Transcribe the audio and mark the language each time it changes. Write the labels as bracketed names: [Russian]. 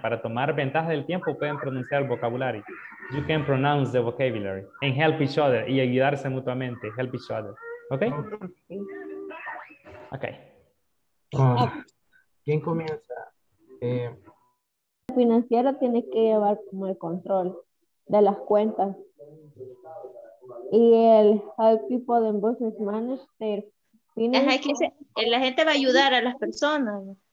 [Spanish] Para tomar ventaja del tiempo, pueden pronunciar el vocabulary. [English] You can pronounce the vocabulary and help each other. [Spanish] Y ayudarse mutuamente. [English] Help each other. Okay? Okay. [Spanish] ¿Quién comienza? La financiera tiene que llevar como el control de las cuentas. [English] Y el help people in business manage their finances. [Spanish] Ajá, que se, la gente va a ayudar a las personas.